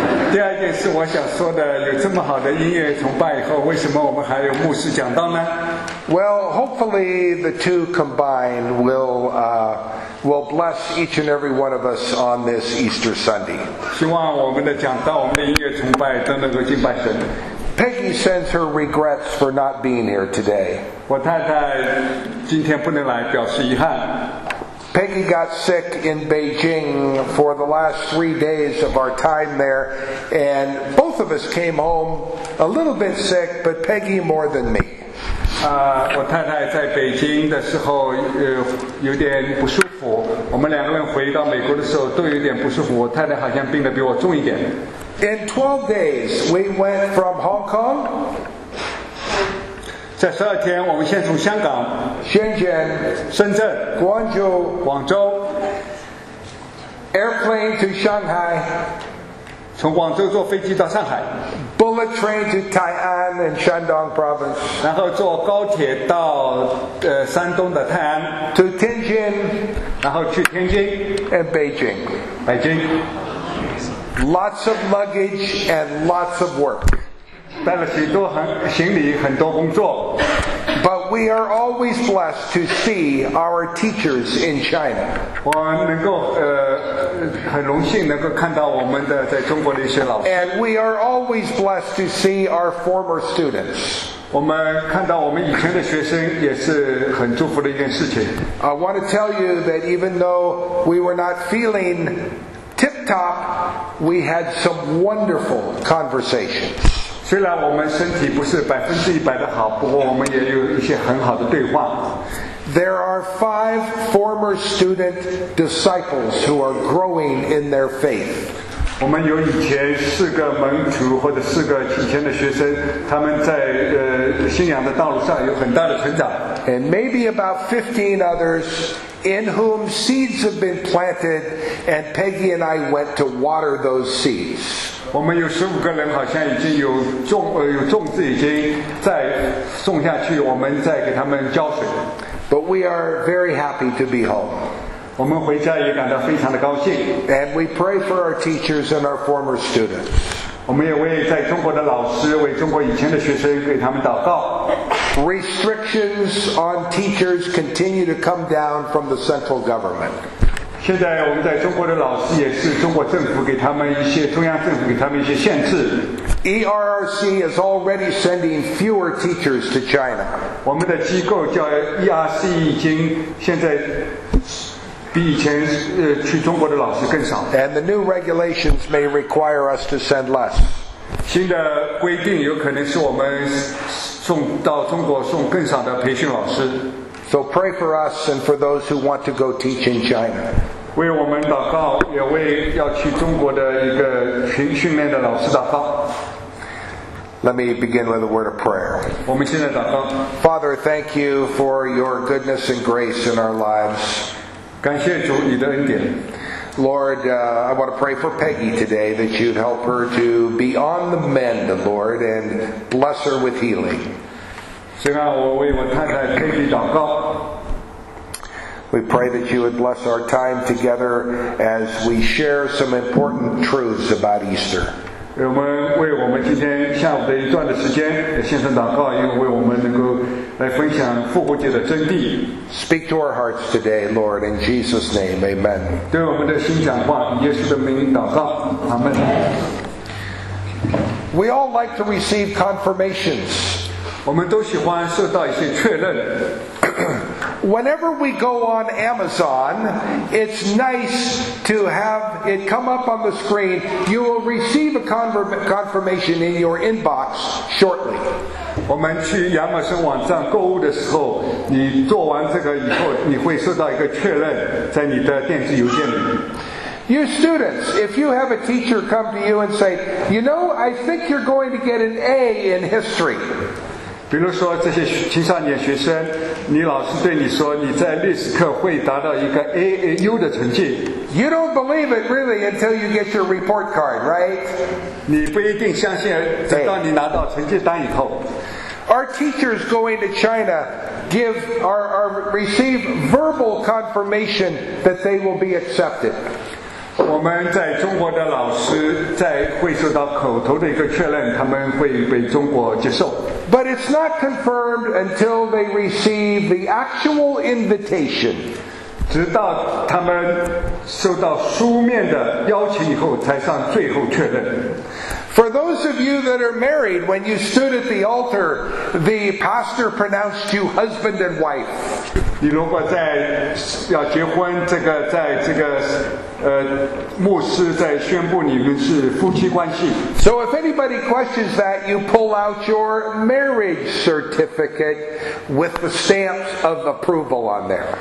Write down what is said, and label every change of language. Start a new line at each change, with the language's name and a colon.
Chinese: 第二件事我想说的，有这么好的音乐崇拜以后，为什么我们还有牧师讲道呢？
English: Well, hopefully the two combined will bless each and every one of us on this Easter Sunday.
Chinese: 希望我们的讲道，我们的音乐崇拜都能够敬拜神。
English: Peggy sends her regrets for not being here today.
Chinese: 我太太今天不能来，表示遗憾。
English: Peggy got sick in Beijing for the last 3 days of our time there, and both of us came home a little bit sick, but Peggy more than me.
Chinese: 我太太在北京的时候有点不舒服。我们两个人回到美国的时候都有点不舒服。我太太好像病得比我重一点。
English: In 12 days, we went from Hong Kong.
Chinese: 在十二天，我们先从香港、
English: Shenzhen、
Chinese: 深圳、
English: 广州 ，airplane to Shanghai.
Chinese: 从广州坐飞机到上海
English: ，bullet train to Tai'an and Shandong province.
Chinese: 然后坐高铁到山东的泰安
English: ，to Tianjin.
Chinese: 然后去天津
English: ，and Beijing.
Chinese: 北京。
English: Lots of luggage and lots of work.
Chinese: 带了许多行李，很多工作。
English: But we are always blessed to see our teachers in China.
Chinese: 我能够很荣幸能够看到我们的在中国的一些老师。
English: And we are always blessed to see our former students.
Chinese: 我们看到我们以前的学生也是很祝福的一件事情。
English: I want to tell you that even though we were not feeling tip top, we had some wonderful conversations.
Chinese: 虽然我们身体不是百分之一百的好，不过我们也有一些很好的对话。
English: There are 5 former student disciples who are growing in their faith.
Chinese: 我们有以前四个门徒或者四个以前的学生，他们在信仰的道路上有很大的成长。
English: And maybe about 15 others. In whom seeds have been planted, and Peggy and I went to water those seeds.
Chinese: 我们有十五个人，好像已经有种子已经在种下去，我们在给他们浇水。
English: But we are very happy to be home.
Chinese: 我们回家也感到非常的高兴。
English: And we pray for our teachers and our former students.
Chinese: 我们也为在中国的老师，为中国以前的学生，给他们祷告。
English: Restrictions on teachers continue to come down from the central government.
Chinese: 现在我们在中国的老师也是中国政府给他们一些中央政府给他们一些限制。
English: ERRC is already sending fewer teachers to China.
Chinese: 我们的机构叫 ERC 已经现在比以前去中国的老师更少。
English: And the new regulations may require us to send less.
Chinese: 新的规定有可能是我们送到中国送更少的培训老师。
English: So pray for us and for those who want to go teach in China.
Chinese: 为我们祷告，也为要去中国的一个培训练的老师祷告。
English: Let me begin with a word of prayer.
Chinese: 我们现在祷告。
English: Father, thank you for your goodness and grace in our lives.
Chinese: 感谢主你的恩典。
English: Lord, I want to pray for Peggy today that you'd help her to be on the mend, Lord, and bless her with healing.
Chinese: 虽然我为我太太特别祷告。
English: We pray that you would bless our time together as we share some important truths about Easter.
Chinese: 我们为我们今天下午的一段的时间也献上祷告，因为为我们能够来分享复活节的真谛。
English: Speak to our hearts today, Lord, in Jesus' name, Amen.
Chinese: 对我们的心讲话，以耶稣的名祷告，阿门。
English: We all like to receive confirmations.
Chinese: 我们都喜欢受到一些确认。
English: Whenever we go on Amazon, it's nice to have it come up on the screen. You will receive a confirmation in your inbox shortly.
Chinese: 我们去亚马逊网站购物的时候，你做完这个以后，你会收到一个确认在你的电子邮件里。
English: You students, if you have a teacher come to you and say, you know, I think you're going to get an A in history.
Chinese: 比如说这些青少年学生，你老师对你说你在历史课会达到一个 AAU 的成绩。
English: You don't believe it really until you get your report card, right?
Chinese: 你不一定相信，直到你拿到成绩单以后。
English: Our teachers going to China give or receive verbal confirmation that they will be accepted.
Chinese: 我们在中国的老师在会受到口头的一个确认，他们会被中国接受。
English: But it's not confirmed until they receive the actual invitation.
Chinese: 直到他们受到书面的邀请以后，才算最后确认。
English: For those of you that are married, when you stood at the altar, the pastor pronounced you husband and wife.
Chinese: 你如果在要结婚，这个在这个牧师在宣布你们是夫妻关系。
English: So if anybody questions that, you pull out your marriage certificate with the stamp of approval on there.